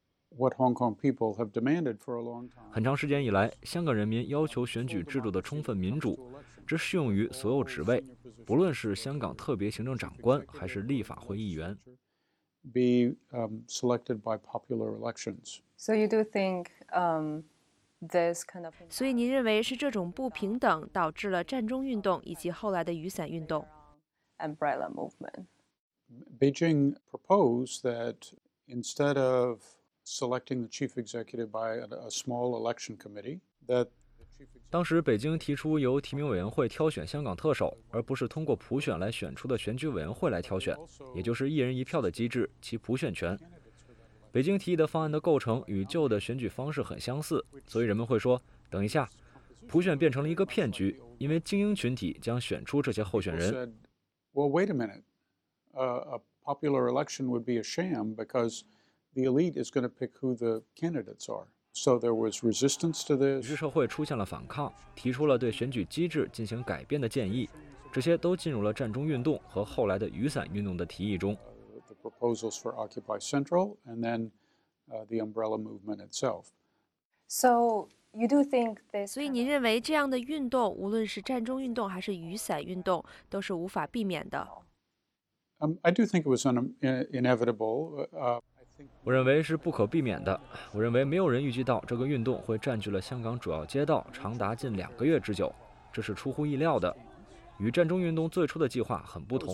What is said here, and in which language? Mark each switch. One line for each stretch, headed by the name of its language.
English: What Hong Kong people have demanded for a long time.
Chinese: 很长时间以来，香港人民要求选举制度的充分民主，这适用于所有职位。不论是香港特别行政长官还是立法会议员
English: be selected by popular elections. So you do think this kind of
Chinese: 所以您认为是这种不平等导致了战中运动以及后来的雨伞运动
English: umbrella movement. Beijing proposed that instead of selecting the chief executive by a small election committee that
Chinese: 当时北京提出由提名委员会挑选香港特首，而不是通过普选来选出的选举委员会来挑选，也就是一人一票的机制，其普选权。北京提议的方案的构成与旧的选举方式很相似，所以人们会说，等一下，普选变成了一个骗局，因为精英群体将选出这些候选人。
English: Well, wait a minute. A popular election would be a sham because the elite is going to pick who the candidates are. So there was resistance to this.
Chinese: 于是社会出现了反抗，提出了对选举机制进行改变的建议，这些都进入了战中运动和后来的雨伞运动的提议中。
English: The proposals for Occupy Central and then the umbrella movement itself. So you do think this?
Chinese: 所以您认为这样的运动，无论是战中运动还是雨伞运动，都是无法避免的。
English: I do think it was inevitable.
Chinese: 我认为是不可避免的。我认为没有人预计到这个运动会占据了香港主要街道长达近两个月之久，这是出乎意料的，与战中运动最初的计划很不同。